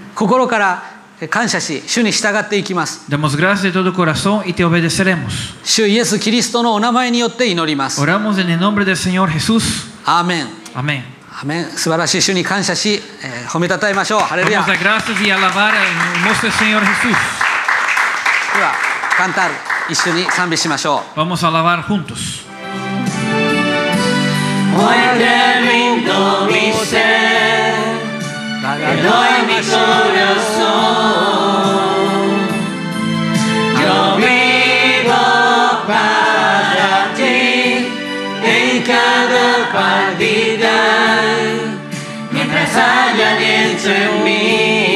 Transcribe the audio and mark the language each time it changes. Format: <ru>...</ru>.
<ja>心から感謝し主に従っていきます。</ja> <es>Damos gracias de todo corazón y te obedeceremos.</es> <ja>主イエスキリストのお名前によって祈ります。</ja> <es>Oramos en el nombre del Señor Jesús. Amén. Amén. Amén.</es> <ja>素晴らしい主に感謝し、褒めたたえましょう。ハレルヤ。</ja> <es>Damos gracias y alabar al hermoso Señor Jesús.</es> <ja>ではカンタール一緒に賛美しましょう。</ja> <es>Vamos a alabar juntos. Muerte, mi ser, te doy mi corazón. Yo vivo para ti en cada partida mientras haya aliento en mí.</es>